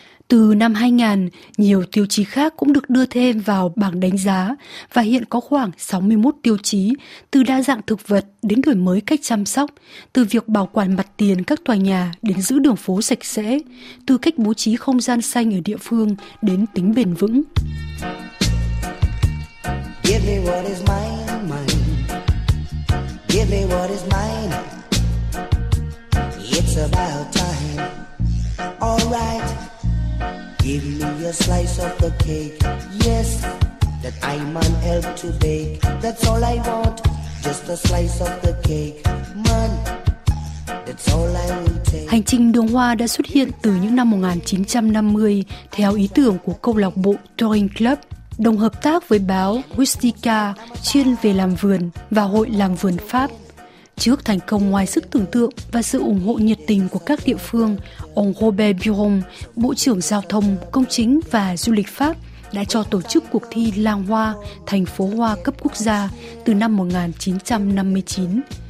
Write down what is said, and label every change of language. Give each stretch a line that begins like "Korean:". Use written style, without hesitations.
Vietnamese: Từ năm 2000, nhiều tiêu chí khác cũng được đưa thêm vào bảng đánh giá và hiện có khoảng 61 tiêu chí, từ đa dạng thực vật đến đổi mới cách chăm sóc, từ việc bảo quản mặt tiền các tòa nhà đến giữ đường phố sạch sẽ, từ cách bố trí không gian xanh ở địa phương đến tính bền vững.
English: Give me what is mine, mine. Give me what is mine. It's about time. All right. Give me a slice of the cake. Yes, that I man help to bake. That's all I want. Just a slice of the cake, man.
Vietnamese: Hành trình đường hoa đã xuất hiện từ những năm 1950 theo ý tưởng của câu lạc bộ Touring Club, đồng hợp tác với báo Rustica chuyên về làm vườn và hội làm vườn Pháp. Trước thành công ngoài sức tưởng tượng và sự ủng hộ nhiệt tình của các địa phương, ông Robert Biron, Bộ trưởng Giao thông, Công chính và Du lịch Pháp, đã cho tổ chức cuộc thi Làng Hoa, Thành phố Hoa cấp quốc gia từ năm 1959.